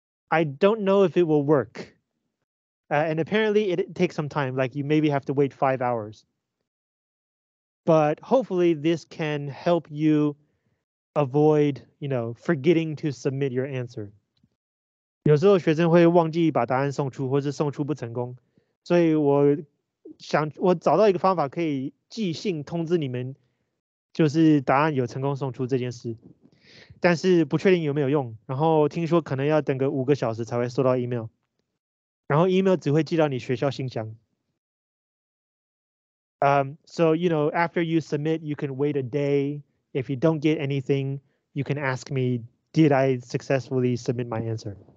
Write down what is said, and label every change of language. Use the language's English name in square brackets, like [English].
[English] I don't know if it will work. And apparently it takes some time, like you maybe have to wait 5 hours. But hopefully this can help you avoid, you know, forgetting to submit your answer. [Chinese] 有时候学生会忘记把答案送出，或是送出不成功，所以我找到一个方法可以寄信通知你们，就是答案有成功送出这件事，但是不确定有没有用，然后听说可能要等个5个小时才会收到email。然后 email 只会寄到你学校信箱。 [English] So, you know, after you submit, you can wait a day. If you don't get anything, you can ask me, did I successfully submit my answer?